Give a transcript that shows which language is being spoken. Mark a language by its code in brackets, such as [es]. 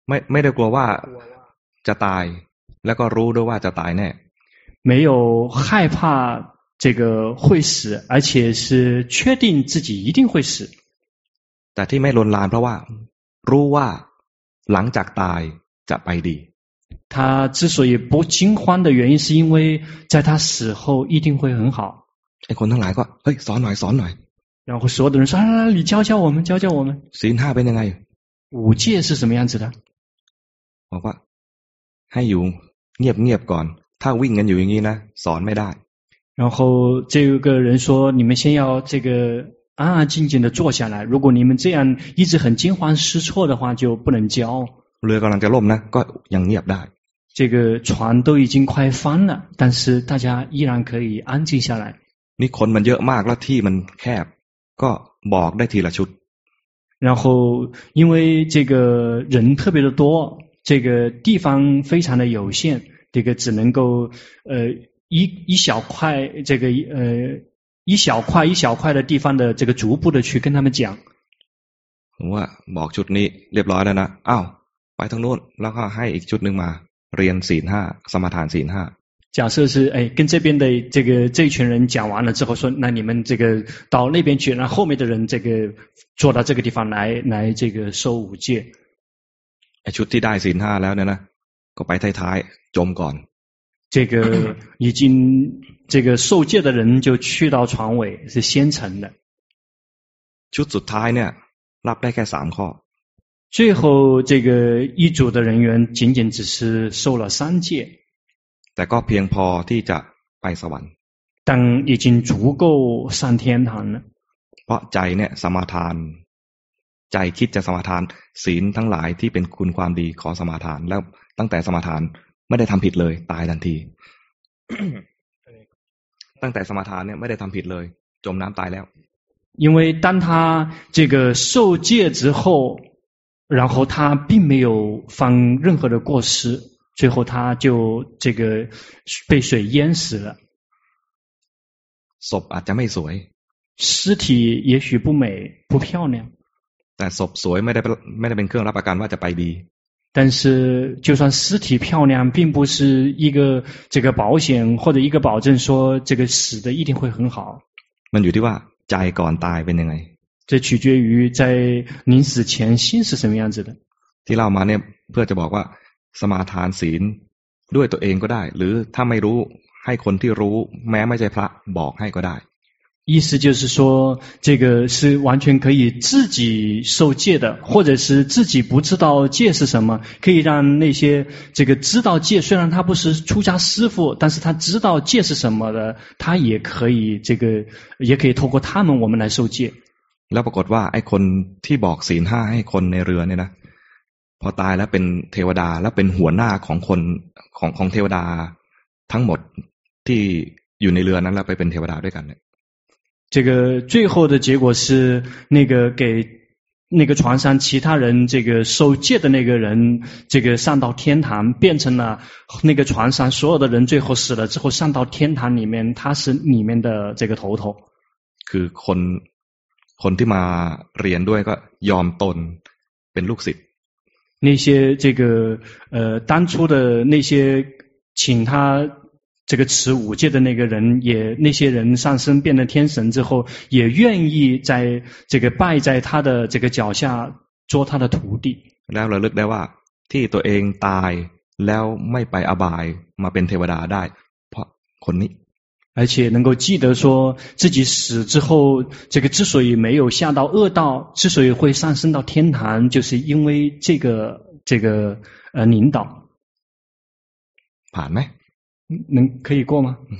[th] ไม่ได้กลัวว่าจะตายแล้วก็รู้ด้วยว่าจะตายแน่ [zh] 没有害怕这个会死而且是确定自己一定会死 [th] แต่ที่ไม่ลวนลามเพราะว่ารู้ว่าหลังจากตายจะไปดี [zh] 他之所以不惊慌的原因是因为在他死后一定会很好 [th] ไอ้คนทั้งหลายก็เฮ้ยสอนหน่อยสอนหน่อย [zh] 然后所有的人说来来来你教教我们教教我们 [th] ศีลห้าเป็นยังไง [zh] 五戒是什么样子的 [th] บอกว่าให้อยู่เงียบเงียบก่อนถ้าวิ่งกันอยู่อย่างนี้นะสอนไม่ได้ [zh] 然后这个人说你们先要这个安安静静地坐下来如果你们这样一直很惊慌失措的话就不能教 [th] เรือกำลังจะล่มนะก็ยังเงียบได้ [zh] 这个船都已经快翻了但是大家依然可以安静下来 [th] นี่คนมันเยอะมากแล้วที่มันแคบก็บอกได้ทีละชุด [zh] 然后因为这个人特别的多这个地方非常的有限这个只能够一小块这个一小块一小块的地方的这个逐步的去跟他们讲 [th] ว่าบอกชุดนี้เรียบร้อยแล้วนะอ้าวไปทางโน้นแล้วก็ให้อีกชุดหนึ่งมาเรียนศีลห้าสมาทานศีลห้า [zh] 假设是哎跟这边的这个这群人讲完了之后说那你们这个到那边去然后后面的人这个坐到这个地方来这个受五戒 [th] ไอ้ชุดที่ได้ศีลห้าแล้วเนี่ยนะก็ไปท้ายๆจมก่อน [zh] 这个已经这个受戒的人就去到船尾是先成的 [th] 就สุดท้ายเนี่ยรับได้แค่3ข้อ [zh] 最后这个一组的人员仅仅只是受了三戒 [th] แต่ก็เพียงพอที่จะไปสวรรค์ [zh] 但已经足够上天堂了 [th] เพราะใจเนี่ยสมาทานใจคิดจะสมาทานศีลทั้งหลายที่เป็นคุณความดีขอสมาทานแล้วตั้งแต่สมาทานไม่ได้ทำผิดเลยตายทันที ตั้งแต่สมาทานเนี่ยไม่ได้ทำผิดเลยจมน้ำตายแล้ว [zh] 因为当他这个受戒之后然后他并没有犯任何的过失最后他就这个被水淹死了 [th] ศพอาจจะไม่สวย [zh] 尸体也许不美不漂亮 [th] แต่ศพสวยไม่ได้เป็นเครื่องรับประกันว่าจะไปดี [zh] 但是就算尸体漂亮并不是一个这个保险或者一个保证说这个死的一定会很好 [th] มันอยู่ที่ว่าใจก่อนตายเป็นยังไง [zh] 这取决于在临死前心是什么样子的 [th] ที่เรามาเนี่ยเพื่อจะบอกว่าสมาทานศีลด้วยตัวเองก็ได้หรือถ้าไม่รู้ให้คนที่รู้แม้ไม่ใช่พระบอกให้ก็ได้ [zh] 意思就是说这个是完全可以自己受戒的或者是自己不知道戒是什么可以让那些这个知道戒虽然他不是出家师父但是他知道戒是什么的他也可以这个也可以透过他们我们来受戒 [th] แล้วปรากฏว่าไอ้คนที่บอกศีลห้าให้คนในเรือเนี่ยนะพอตายแล้วเป็นเทวดาแล้วเป็นหัวหน้าของคนของเทวดาทั้งหมดที่อยู่ในเรือนั้นแล้วไปเป็นเทวดาด้วยกัน [zh] 这个最后的结果是那个给那个船上其他人这个受戒的那个人这个上到天堂变成了那个船上所有的人最后死了之后上到天堂里面他是里面的这个头头 [th] คือคนที่มาเรียนด้วยก็ยอมตนเป็นลูกศิษย์ [zh] 那些这个当初的那些请他这个持五戒的那个人，也那些人上升变得天神之后，也愿意在这个拜在他的这个脚下做他的徒弟。 [th] แล้วเราลึกได้ว่าที่ตัวเองตายแล้วไม่ไปอบายมาเป็นเทวดาได้เพราะคนนี้ [zh] 而且能够记得说自己死之后，这个之所以没有下到恶道，之所以会上升到天堂，就是因为这个领导。盘没？能可以过吗？